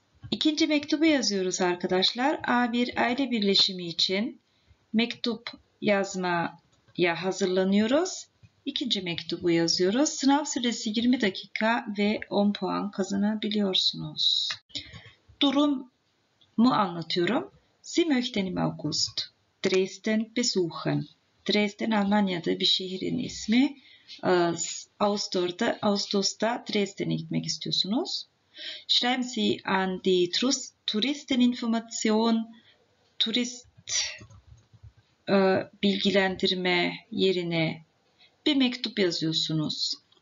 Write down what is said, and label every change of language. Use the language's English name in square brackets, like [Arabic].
[Turkish] İkinci mektubu yazıyoruz arkadaşlar. A1 aile birleşimi için mektup yazmaya hazırlanıyoruz. İkinci mektubu yazıyoruz. Sınav süresi 20 dakika ve 10 puan kazanabiliyorsunuz. Durumu anlatıyorum. [German] Sie möchten im August Dresden besuchen. [Turkish] Dresden Almanya'da bir şehrin ismi. Ağustos'ta Dresden'e gitmek istiyorsunuz. [German] Schreiben Sie an die Touristeninformation, [Turkish] Turist bilgilendirme yerine bir mektup yazıyorsunuz.